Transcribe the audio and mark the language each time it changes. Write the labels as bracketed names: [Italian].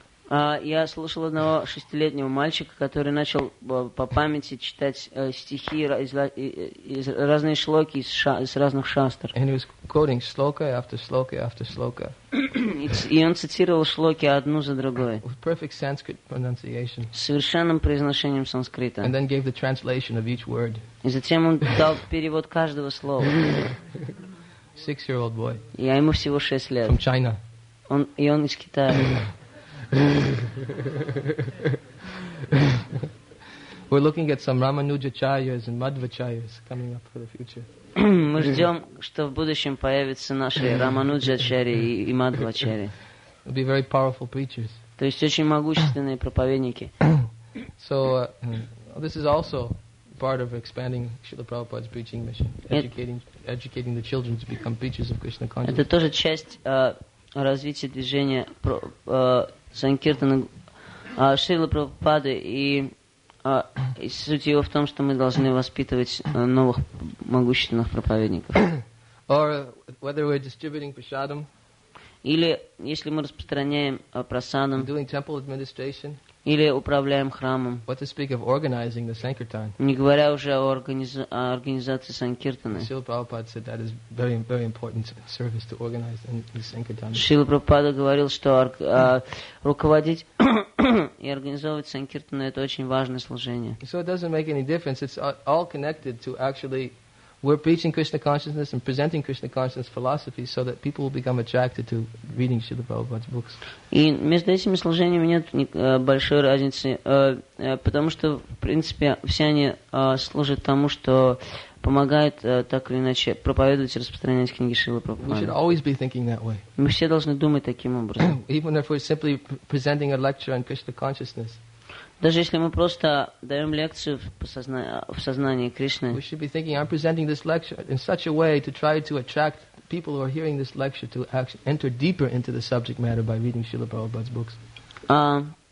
[Russian] Я слушал одного шестилетнего мальчика, который начал по памяти читать стихи из разных шлоки из разных шастр. [English] And he was quoting shloka after shloka after shloka. [Russian] И он цитировал шлоки одну за другой. [English] With perfect Sanskrit pronunciation. [Russian] С совершенным произношением санскрита. [English] And then gave the translation of each word. [Russian] И затем он дал перевод каждого слова. [English] Six-year-old boy. [Russian] Я ему всего 6 лет. [English] From China. [Russian] Он из Китая. [English] We're looking at some Ramanujacharyas and Madhvacharyas coming up for the future. [Russian] Мы ждем, что в будущем появятся наши Рамануджачари и Мадхвачари. [English] It'll be very powerful preachers. [Russian] То есть очень могущественные проповедники. [English] So this is also part of expanding Srila Prabhupada's preaching mission, educating the children to become preachers of Krishna consciousness. [Russian] Это тоже часть развития движения Санкиртана Шрилы Прабхупады и суть его в том, что мы должны воспитывать новых могущественных проповедников. [English] Or whether we're distributing prasadam, [Russian] или если мы распространяем прасадам, [English] doing temple administration, [Russian] или управляем храмом, [English] what to speak of organizing the sankirtan, [Russian] не говоря уже о организации санкиртаны. [English] Srila Prabhupada said that is very, very important service to organize the sankirtan. [Russian] Шрила Прабхупада говорил, что руководить и организовывать санкиртану — это очень важное служение. [English] So it doesn't make any difference. It's all connected to actually we're preaching Krishna consciousness and presenting Krishna consciousness philosophy so that people will become attracted to reading Srila Prabhupada's books. [Russian] И между этими служениями нет большой разницы, потому что, в принципе, все они служат тому, что помогают так или иначе проповедовать и распространять книги Шрилы Прабхупады. [English] We should always be thinking that way. [Russian] Мы все должны думать таким образом. [English] Even if we're simply presenting a lecture on Krishna consciousness, [Russian] даже если мы просто даем лекцию в сознании Кришны, [English] we should be thinking, I'm presenting this lecture in such a way to try to attract people who are hearing this lecture to actually enter deeper into the subject matter by reading Srila Prabhupada's books.